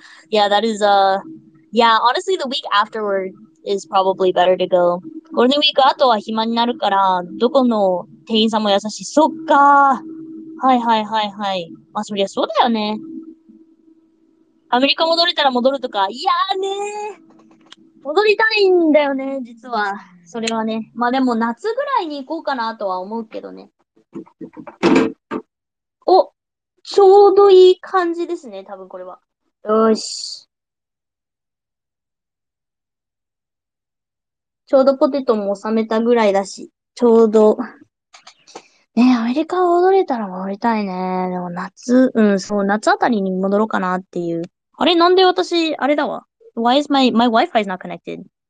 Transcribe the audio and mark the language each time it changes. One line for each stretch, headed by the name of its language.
English: Yeah, that is yeah, honestly, the week afterward is probably better to go.
Japanese: ゴールデンウィーク後は暇になるから、どこの店員さんも優しい。そっかー。はいはいはいはい。まあそりゃそうだよね。アメリカ戻れたら戻るとか。いやーねー。戻りたいんだよね、実は。それはね。まあでも夏ぐらいに行こうかなとは思うけどね。お、ちょうどいい感じですね、多分これは。よし。ちょうどポテトも収めたぐらいだし、ちょうど。ねえ、アメリカを踊れたら戻りたいね。でも夏、うん、そう、夏あたりに戻ろうかなっていう。あれ、なんで私、あれだわ。
English: Why is my Wi-Fi is not connected?